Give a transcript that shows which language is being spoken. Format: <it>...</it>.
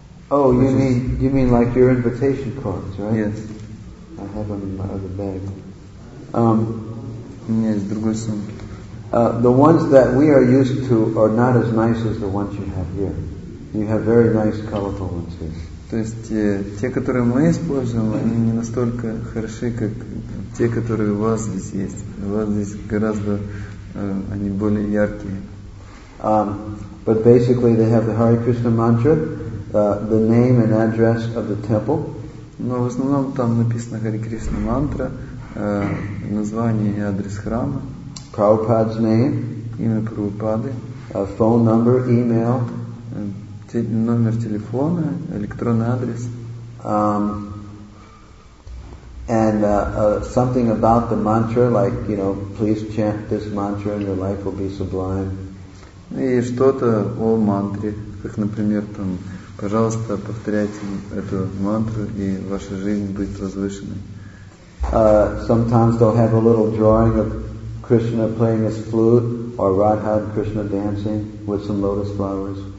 <en>Oh, you mean like your invitation cards, right? Yes. I have them in my other bag.</en> <ru>Yes, другой сумки.</ru> <en>The ones that we are used to are not as nice as the ones you have here. You have very nice, colorful ones here.</en> <ru>То есть те, которые мы используем, они не настолько хороши, как те, которые у вас здесь есть. У вас здесь гораздо они более яркие.</ru> <en>But basically, they have the Hare Krishna mantra. The name and address of the temple.</en> <ru>Но в основном там написано Hare Krishna mantra, название и адрес храма.</ru> <en>Prabhupada's name.</en> <ru>Имя Прабхупады.</ru> <en>Phone number, email.</en> <ru>Номер телефона, электронный адрес.</ru> <en>And something about the mantra, like, you know, please chant this mantra and your life will be sublime.</en> <ru>И что-то о мантре, как, например, там, пожалуйста, повторяйте эту мантру, и ваша жизнь будет возвышенной.</ru> <en>Sometimes they'll have a little drawing of Krishna playing his flute or Radha and Krishna dancing with some lotus flowers.</en>